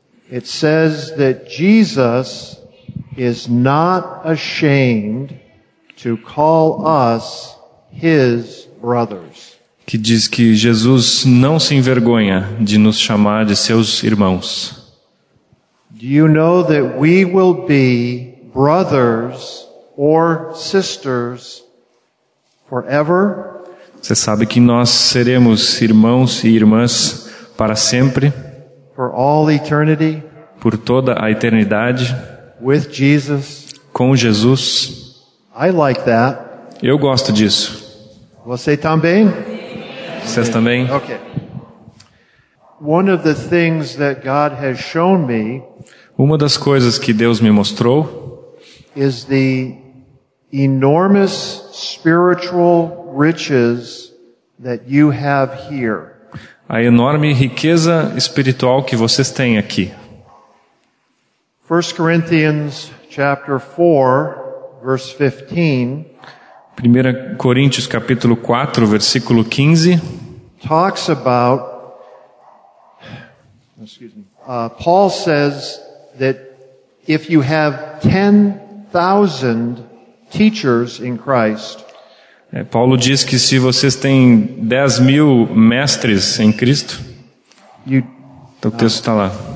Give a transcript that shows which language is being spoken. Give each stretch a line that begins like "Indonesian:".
English: it says that Jesus is not ashamed to call us his brothers.
Portuguese: Que diz que Jesus não se envergonha de nos chamar de seus irmãos.
English: Do you know that we will be brothers or sisters? Forever.
Portuguese: Você sabe que nós seremos irmãos e irmãs para sempre.
English: For all eternity.
Portuguese: Por toda a eternidade.
English: With Jesus.
Portuguese: Com Jesus.
English: I like that.
Portuguese: Eu gosto disso. Você também? Vocês também?
English: Okay. One of the things that God has shown me.
Portuguese: Uma das coisas que Deus me mostrou.
English: Is the enormous spiritual riches that you have here.
Portuguese: A enorme riqueza espiritual que vocês têm aqui.
English: 1 Corinthians chapter 4 verse 15.
Portuguese: 1 Coríntios capítulo 4 versículo 15
English: talks about Paul says that if you have 10,000 teachers in Christ.
Portuguese: Paulo diz que se vocês têm 10 mil mestres em Cristo, então o texto está lá.